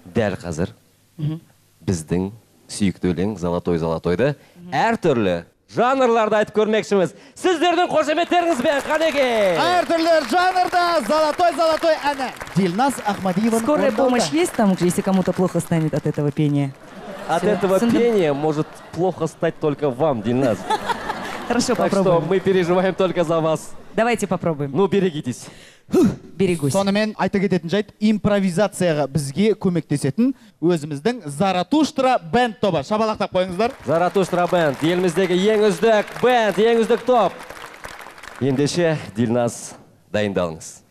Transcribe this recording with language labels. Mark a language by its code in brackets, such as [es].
[kk] Дәл қазір біздің сүйікті өлең «Золотой-золотой»ды әртүрлі жанрларда айтып көрмекшіміз. Сіздердің қошеметтеріңіз бен, қанеке! Әртүрлі жанрда «Золотой-золотой» әні Дильнас Ахмадиевін орындауды. [ru] Скорая помощь есть там, если кому-то плохо станет от этого пения? От этого пения может плохо стать только вам, Дильнас. Хорошо, так попробуем. Так что мы переживаем только за вас. Давайте попробуем. Ну, берегитесь. Берегусь. [kk] Сонымен айта кететін жайт, импровизацияға бізге көмектесетін өзіміздің Заратуштра бэнд тобы. Шабалақтап қойыңыздар. Заратуштра бэнд. Еліміздегі ең үздік бэнд, ең үздік топ. Ендеше, Дильнас, дайындалыңыз.